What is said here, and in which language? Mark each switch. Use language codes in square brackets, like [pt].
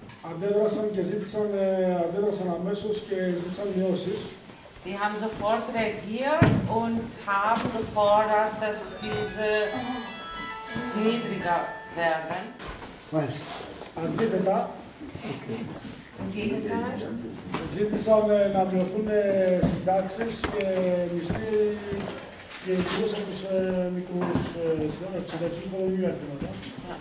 [el] Αντέδρασαν και ζήτησαν, αντέδρασαν αμέσως και ζήτησαν μειώσεις. [de] Sie haben sofort reagiert und haben gefordert, dass diese niedriger werden. Was? [el] Αντίθετα. [de] Im Gegenteil. [el] Ζήτησαν να μειωθούν συντάξεις και μισθοί και εκτός από τους μικρούς συντάξεις που δεν είναι αυτοί.